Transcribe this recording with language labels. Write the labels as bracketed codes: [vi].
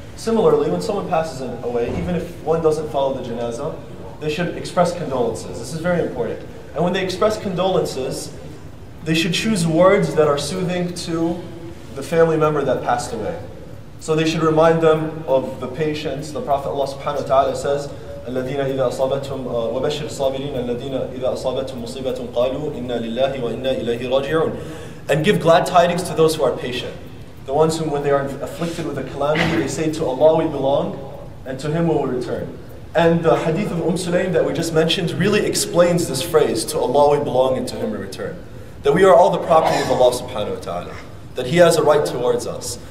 [en] Similarly, when someone passes away, even if one doesn't follow the janazah, they should express condolences. This is very important. And when they express condolences, they should choose words that are soothing to the family member that passed away. So they should remind them of the patience. The Prophet Allah subhanahu wa ta'ala says, [ar] الَّذِينَ إِذَا أَصَابَتْهُمْ وَبَشِّرْ الصَّابِرِينَ الَّذِينَ إِذَا أَصَابَتْهُمْ مُصِيبَةٌ قَالُوا إِنَّا لِلَّهِ وَإِنَّا إِلَيْهِ رَاجِعُونَ. [en] And give glad tidings to those who are patient. The ones whom, when they are afflicted with a calamity, they say, "To Allah we belong, and to Him we will return." And the hadith of Sulaym that we just mentioned really explains this phrase, "To Allah we belong, and to Him we return." That we are all the property of Allah subhanahu wa ta'ala. That He has a right towards us.